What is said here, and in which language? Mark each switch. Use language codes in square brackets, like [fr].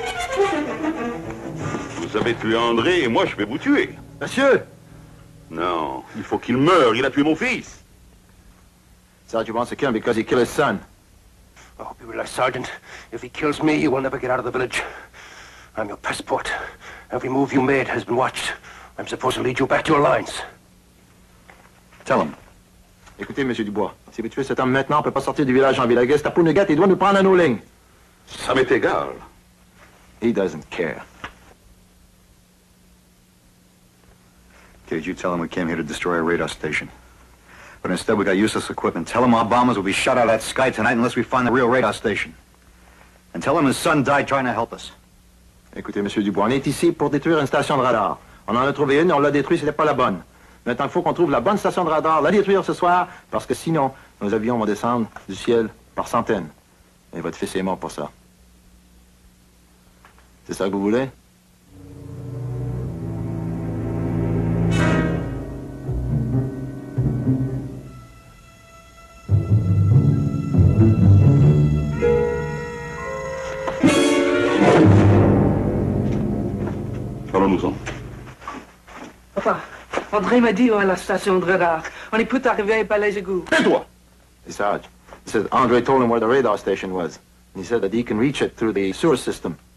[fr] fait tuer André et moi je vais vous tuer. Monsieur! Non, il faut qu'il meure, il a tué mon fils. [en] Sergeant wants to kill him because he killed his son. I hope you realize, Sergeant, if he kills me, you will never get out of the village. I'm your passport. Every move you made has been watched. I'm supposed to lead you back to your lines. Tell him. [fr] Écoutez, Monsieur Dubois, si vous tuez cet homme maintenant, on ne peut pas sortir du village en Villagues. Ta poule gâte, il doit nous prendre à nos lignes. Ça m'est égal. [en] He doesn't care. Okay, did you tell him we came here to destroy a radar station? But instead we got useless equipment. Tell him our bombers will be shot out of that sky tonight unless we find the real radar station. And tell him his son died trying to help us. [fr] Écoutez, Monsieur Dubois, on est ici pour détruire une station de radar. On en a trouvé une, on l'a détruite, c'était pas la bonne. Maintenant, il faut qu'on trouve la bonne station de radar, la détruire ce soir, parce que sinon, nos avions vont descendre du ciel par centaines. Et votre fils est mort pour ça. C'est ça que vous voulez? Parlons-nous-en. Papa, André m'a dit où est la station de radar. On est peut arriver par les égouts. Tais-toi! [en] Hey, Sarge, he said André told him where the radar station was. And he said that he can reach it through the sewer system.